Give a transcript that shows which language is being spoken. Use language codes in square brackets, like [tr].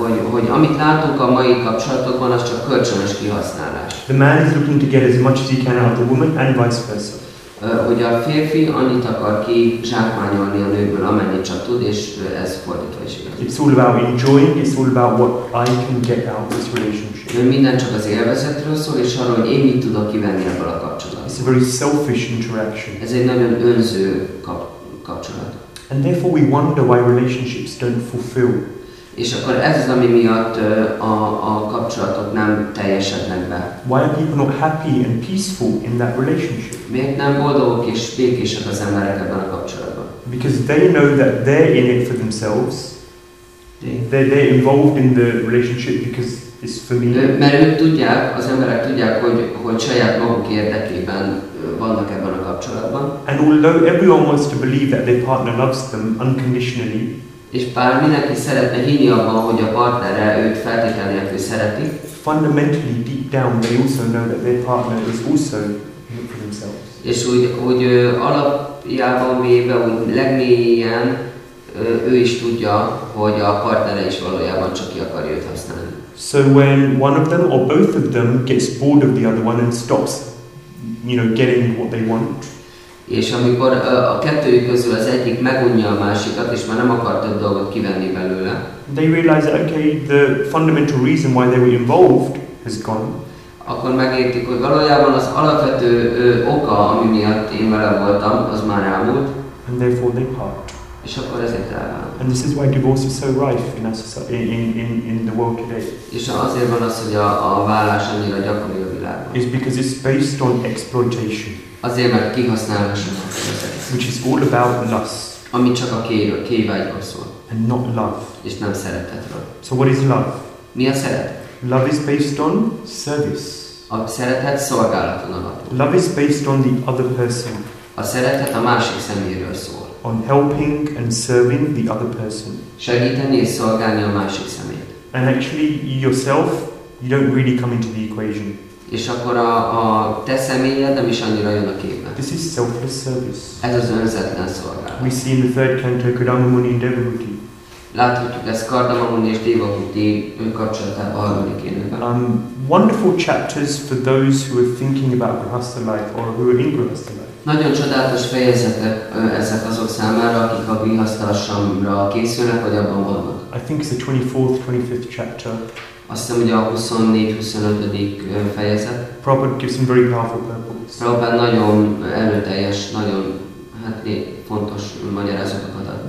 [hu] Hogy amit látunk a mai kapcsolatokban, az csak kölcsönös kihasználás. [en] The man is looking to get as much as he can out of the woman and vice versa. [hu] Hogy a férfi annyit akar ki zsákmányolni a nőből, amennyit csak tud, és ez fordítva is igaz. [en] It's all about enjoying, it's all about what I can get out of this relationship. [hu] Minden csak az élvezetről szól, és arról, hogy én mit tudok kivenni ebből a kapcsolatból. [en] It's a very selfish interaction. [hu] Ez egy nagyon önző kapcsolat. [en] And therefore we wonder why relationships don't fulfill. [hu] És akkor ez az, ami miatt a kapcsolatok nem teljesednek be. [en] Why are people not happy and peaceful in that relationship? [hu] Miért nem boldogok és békések az emberek ebben a kapcsolatban? [en] Because they know that they're in it for themselves. They're involved in the relationship because his family. [hu] Mert ők tudják, az emberek tudják, hogy saját maguk érdekében vannak ebben a kapcsolatban. [en] And although everyone wants to believe that their partner loves them unconditionally, [hu] és bár mindenki szeretne hinni abban, hogy a partnere őt feltétel nélkül szereti, [en] fundamentally deep down they also know that their partner is also here for themselves. [hu] És úgy alapjában véve, úgy legmélyen ő is tudja, hogy a partnere is valójában csak ki akar őt használni. [en] So when one of them or both of them gets bored of the other one and stops, you know, getting what they want. [hu] És amikor a kettőjük közül az egyik megunja a másikat, és már nem akar több dolgot kivenni belőle. [en] They realize that, okay, the fundamental reason why they were involved has gone. [hu] Akkor megértik, hogy valójában az alapvető oka, ami miatt én vele voltam, az már elmúlt. [en] And therefore they part. [hu] És akkor ezért elvált. [en] And this is why divorce is so rife in our society, in the world today. [hu] És azért van az, hogy a válás annyira gyakori a világban. [en] It's because it's based on exploitation. [hu] Azért, mert kihasználásnak. [en] Which is all about lust. [hu] Ami csak a kévágyról szól. [en] And not love. [hu] És nem szeretetről. [en] So what is love? [hu] Mi a szeretet? [en] Love is based on service. [hu] A szeretet szolgálaton alapul. [en] Love is based on the other person. [hu] A szeretet a másik szeméről szól. [en] On helping and serving the other person. [hu] Segíteni és szolgálni a másik szemét. [en] And actually yourself, you don't really come into the equation. [hu] És akkor a te személyed nem is annyira jön a képbe. [en] This is selfless service. [hu] Ez az önzetlen szolgálat. [en] We see in the third canto, Kardama Muni and Devahuti. [hu] Láthatjuk ezt Kardama Muni és Devahuti önkapcsolatában a harmadik énekben. [en] Wonderful chapters for those who are thinking about grihastha life or who are in grihastha life. [hu] Nagyon csodálatos fejezetek ezek azok számára, akik a grihastha ashramra készülnek, vagy abban vannak. [en] I think it's the 24th, 25th chapter. [hu] Azt hiszem, hogy a 24-25. Fejezet. [en] Prabhupada gives some very powerful purpose. [hu] Prabhupada nagyon erőteljes, nagyon fontos magyarázatokat ad.